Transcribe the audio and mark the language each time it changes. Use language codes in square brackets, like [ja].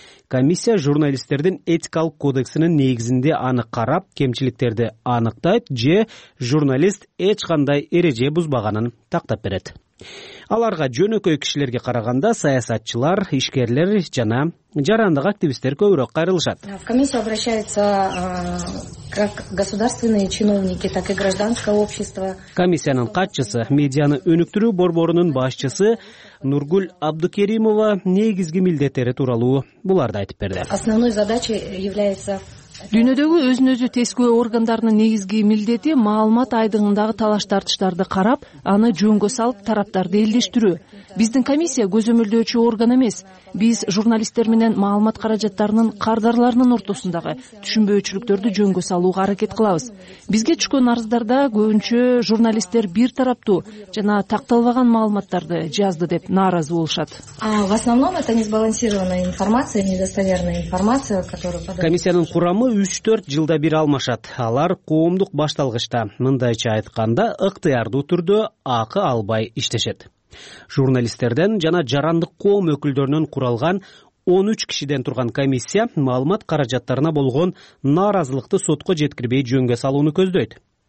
[ky] Комиссия журналисттердин этикалык кодексинин негизинде аны карап, кемчиликтерди аныктайт же журналист эч кандай эреже бузбаганын тактап берет. Аларга жөнөкөй кишилерге караганда саясатчылар, ишкерлер жана жарандык активисттер көбүрөөк кайрылышат. [ru] Комиссия обращается как государственные чиновники, так и гражданское общество. [ky] Комиссиянын катчысы, медианы өнүктүрүү борборунун башчысы Нургүл Абдыкеримова негизги милдеттери тууралуу буларды айтып берди. [ru] Основной задачей является [ky] дүйнөдөгү өзүн өзү тескөө органдарынын негизги милдети маалымат айдыгындагы талаш тартыштарды карап, аны жөнгө салып тараптарды элдештирүү. Биздин комиссия көзөмөлдөөчү орган эмес. Биз журналисттер менен маалымат каражаттарынын кардарларынын ортосундагы түшүнбөөчүлүктөрдү жөнгө салууга аракет кылабыз. Бизге түшкөн арыздарда көбүнчө журналисттер бир тараптуу жана такталбаган маалыматтарды жазды деп нааразы болушат. [ru] В основном это несбалансированная информация, недостоверная информация, которую подают. [ky] Комиссиянын курамы 3-4 жылда бир алмашат. Алар коомдук башталгычта, мындайча айтканда, ыктыярдуу түрдө акы албай иштешет. Журналисттерден жана жарандык коом өкүлдөрүнөн куралган 13 кишиден турган комиссия маалымат каражаттарына болгон нааразылыкты сотко жеткирбей жөнгө салууну көздөйт.